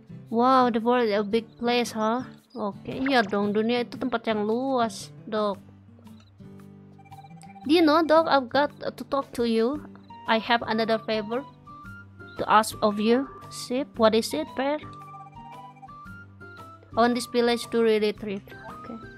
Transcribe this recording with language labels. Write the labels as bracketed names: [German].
[English] Wow, the world is a big place, huh? [Indonesian] Okay, iya dong, dunia itu tempat yang luas, Dok. [English] Do you know, Dok, I've got to talk to you. I have another favor to ask of you. Sip, what is it, Per? I want this village to really thrive. Okay.